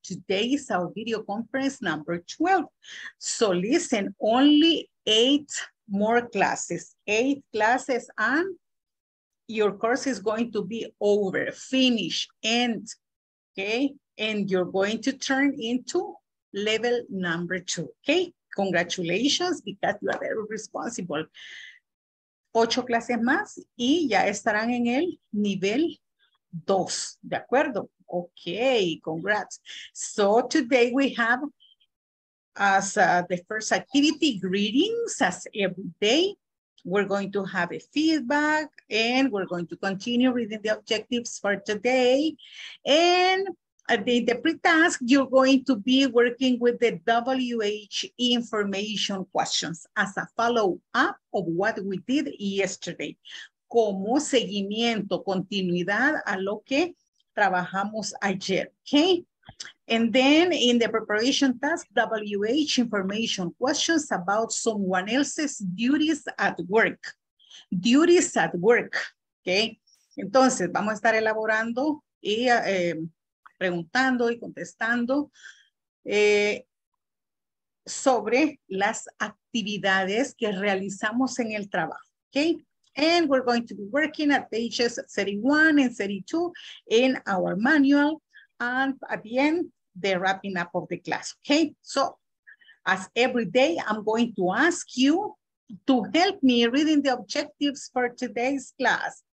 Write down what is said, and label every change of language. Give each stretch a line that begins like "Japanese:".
English: Today is our video conference number 12. So listen, only 8 more classes. 8 classes and your course is going to be over, finish, end. Okay, and you're going to turn into level number 2, okay? Congratulations, because you are very responsible.
Spanish: 8 clases más y ya estarán en el nivel 2, ¿de acuerdo?
English: Okay, congrats. So today we have as the first activity, greetings as every day. We're going to have a feedback and we're going to continue reading the objectives for today. And in the pre-task, you're going to be working with the WH information questions as a follow-up of what we did yesterday.
Spanish: Como seguimiento, continuidad a lo que trabajamos ayer, okay?
English: And then in the preparation task, WH information questions about someone else's duties at work. Duties at work, okay?
Spanish: Entonces, vamos a estar elaborando y preguntando y contestando sobre las actividades que realizamos en el trabajo, okay?
English: And we're going to be working at pages 31 and 32 in our manual and at the end, the wrapping up of the class, okay? So, as every day, I'm going to ask you to help me reading the objectives for today's class.